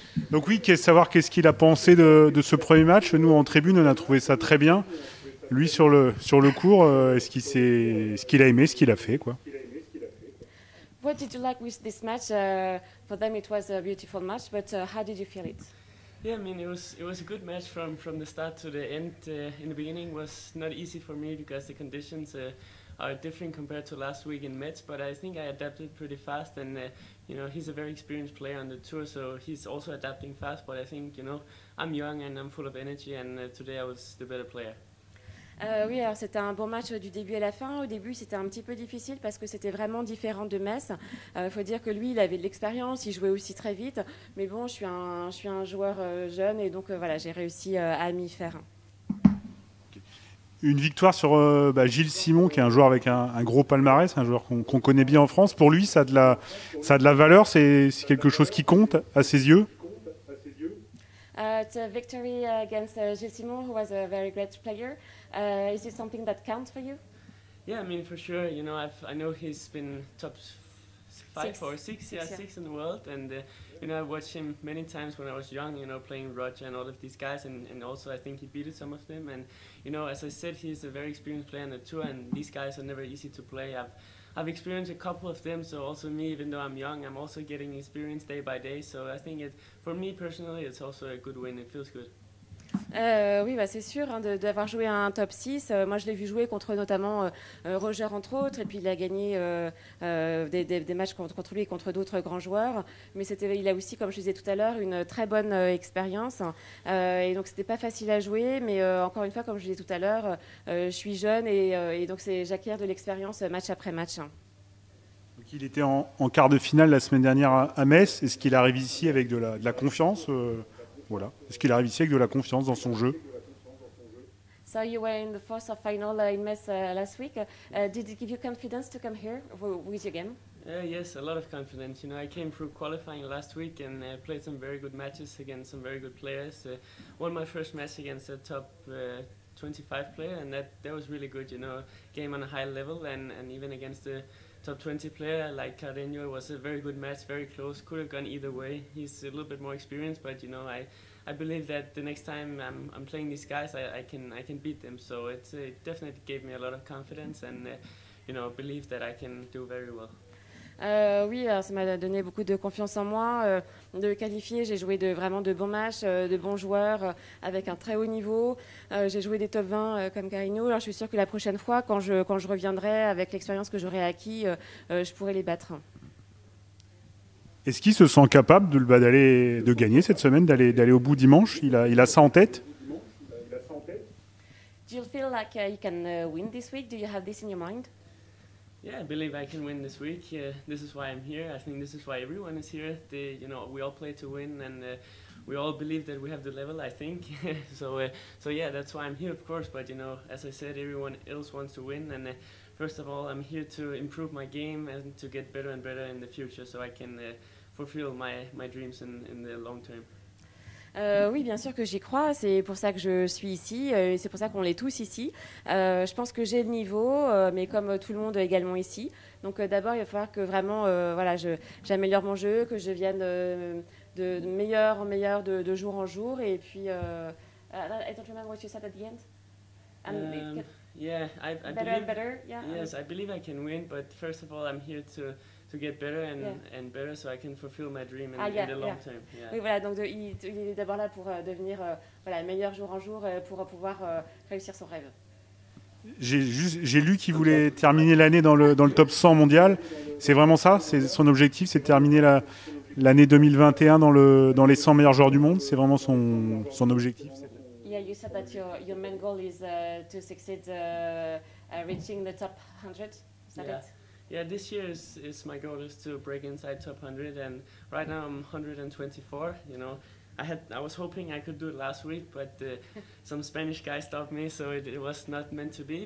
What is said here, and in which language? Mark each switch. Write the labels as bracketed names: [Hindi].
[French] Donc oui, savoir qu'est-ce qu'il a pensé de ce premier match. Nous, en tribune, on a trouvé ça très bien. Lui, sur le court, est-ce qu'il a aimé ce qu'il a fait, quoi. [English] What did you like with this match? For them, it was a beautiful match, but how did you feel it? Yeah, I mean, it was a good match from the start to the end. In the beginning, was not easy for me because the conditions are different compared to last week in Metz. But I think I adapted pretty fast, and you know, he's a very experienced player on the tour, so he's also adapting fast. But I think, you know, I'm young and I'm full of energy, and today I was the better player. [French] Oui, alors c'était un bon match du début à la fin. Au début, c'était un petit peu difficile parce que c'était vraiment différent de Metz. Faut dire que lui, il avait de l'expérience, il jouait aussi très vite. Mais bon, je suis un joueur jeune et donc voilà, j'ai réussi à m'y faire. Une victoire sur Gilles Simon, qui est un joueur avec un gros palmarès, un joueur qu'on connaît bien en France. Pour lui, ça a de la valeur, c'est quelque chose qui compte à ses yeux. [English] The victory against Gilles Simon, who was a very great player, is it something that counts for you? Yeah, I mean, for sure. You know, I know he's been top six in the world, and you know, I watched him many times when I was young. You know, playing Roger and all of these guys, and also I think he beat some of them. And you know, as I said, he's a very experienced player on the tour, and these guys are never easy to play. I've experienced a couple of them, so also me, even though I'm young, I'm also getting experience day by day. So I think it, for me personally, it's also a good win. It feels good. [French] Oui, bah c'est sûr hein, d'avoir joué à un top 6. Moi, je l'ai vu jouer contre notamment Roger, entre autres, et puis il a gagné des matchs contre lui et contre d'autres grands joueurs. Mais il a aussi, comme je disais tout à l'heure, une très bonne expérience. Et donc, c'était pas facile à jouer, mais encore une fois, comme je disais tout à l'heure, je suis jeune et donc j'acquiers de l'expérience match après match. Hein. Donc, il était en quart de finale la semaine dernière à Metz. Est-ce qu'il arrive ici avec de la confiance? Voilà. Est-ce qu'il arrive ici avec de la confiance dans son jeu? [English] So you were in the fourth of final in Metz last week. Did it give you confidence to come here with your game? Yes, a lot of confidence. You know, I came through qualifying last week and played some very good matches against some very good players. Won my first match against a top 25 player, and that was really good. You know, game on a high level, and even against the top 20 player like Carreño, was a very good match, very close, could have gone either way. He's a little bit more experienced, but you know, I believe that the next time I'm playing these guys, I can beat them. So it definitely gave me a lot of confidence and you know, belief that I can do very well. [French] Oui, alors ça m'a donné beaucoup de confiance en moi. De qualifier, j'ai joué vraiment de bons matchs, de bons joueurs, avec un très haut niveau. J'ai joué des top 20 comme Carreño. Alors je suis sûre que la prochaine fois, quand je reviendrai avec l'expérience que j'aurai acquis, je pourrai les battre. Est-ce qu'il se sent capable de gagner cette semaine, d'aller au bout dimanche? Il a ça en tête? [English] Do you feel like you can win this week? Do you have this in your mind? Yeah, I believe I can win this week. This is why I'm here. I think this is why everyone is here. You know, we all play to win, and we all believe that we have the level, I think. so yeah, that's why I'm here, of course. But you know, as I said, everyone else wants to win. And first of all, I'm here to improve my game and to get better and better in the future, so I can fulfill my dreams in the long term. [French] Oui, bien sûr que j'y crois, c'est pour ça que je suis ici, et c'est pour ça qu'on est tous ici. Je pense que j'ai le niveau, mais comme tout le monde également ici. Donc d'abord, il va falloir que vraiment voilà, j'améliore mon jeu, que je vienne de meilleur en meilleur, de jour en jour. Et puis, [English] I don't remember what you said at the end. Better and better, yeah. Yes, I believe I can win, but first of all, I'm here to get better and better, so I can fulfill my dream in the long term. Yeah. [French] Oui, voilà, donc il est d'abord là pour devenir meilleur jour en jour, pour pouvoir réussir son rêve. J'ai lu qu'il voulait terminer l'année dans le top 100 mondial. C'est vraiment ça? C'est son objectif, c'est de terminer l'année 2021 dans les 100 meilleurs joueurs du monde? C'est vraiment son objectif? [English] Yeah, you said that your main goal is to succeed reaching the top 100. Is that it? Yeah, this year is my goal is to break inside top 100, and right now I'm 124. You know, I was hoping I could do it last week, but some Spanish guy stopped me, so it was not meant to be.